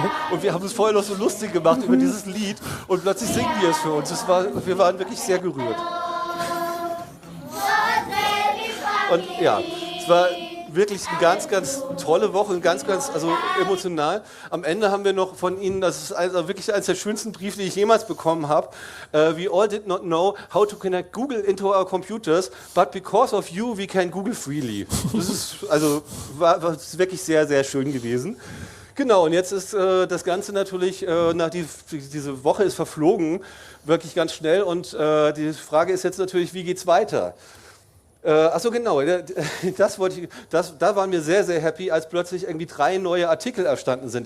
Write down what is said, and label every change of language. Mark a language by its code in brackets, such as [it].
[de] Und wir haben es vorher noch so lustig gemacht über dieses Lied und plötzlich singen die es für uns, wir waren wirklich sehr gerührt. Und ja, es war wirklich eine ganz, ganz tolle Woche, ganz, ganz also emotional. Am Ende haben wir noch von ihnen, das ist also wirklich eines der schönsten Briefe, die ich jemals bekommen habe. [en] We all did not know how to connect Google into our computers, but because of you, we can Google freely. [de] Das ist also war wirklich sehr, sehr schön gewesen. Genau, und jetzt ist das Ganze natürlich, diese Woche ist verflogen, wirklich ganz schnell. Und die Frage ist jetzt natürlich, wie geht's weiter? Achso, genau. Das wollte ich, da waren wir sehr, sehr happy, als plötzlich irgendwie 3 neue Artikel erstanden sind.